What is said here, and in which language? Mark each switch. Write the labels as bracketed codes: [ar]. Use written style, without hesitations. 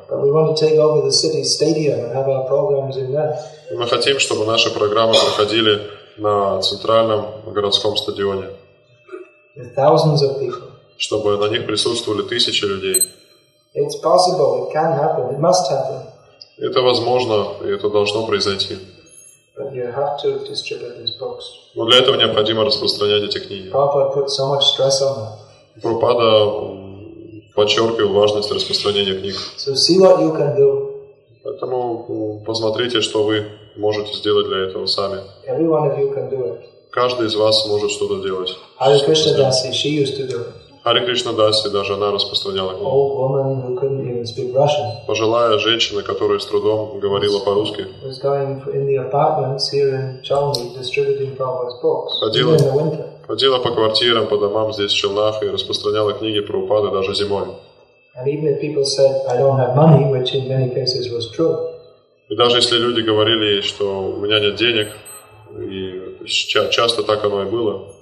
[en] But we want to take over the city stadium and have our programs in there. [ru] И мы хотим, чтобы наши программы проходили на центральном городском стадионе. [en] With thousands of people. [ru] Чтобы на них присутствовали тысячи людей. [en] It's possible, it can happen, it must happen. [ru] Это возможно, и это должно произойти. [en] But you have to distribute these books. [ru] Но для этого необходимо распространять эти книги. [en] Prabhupada put so much stress on them. [ru] Прабхупада подчеркивал важность распространения книг. [en] So see what you can do. [ru] Поэтому посмотрите, что вы можете сделать для этого сами. [en] Every one of you can do it. [ru] Каждый из вас может что-то делать. [en] Hare Krishna Dasi, she used to do it. [ru] Hare Krishna Dasi, даже она распространяла книги. [en] Old woman who couldn't even speak Russian. [ru] Пожилая женщина, которая с трудом говорила по-русски. [en] Was going in the apartments here in Chelny, distributing Prabhupada's books. [ru] Ходила, [en] even in the winter. [ru] Ходила по квартирам, по домам здесь в Челнах и распространяла книги Прабхупады даже зимой. [en] And even if people said, I don't have money, which in many cases was true. [ru] И даже если люди говорили ей, что у меня нет денег, и часто так оно и было.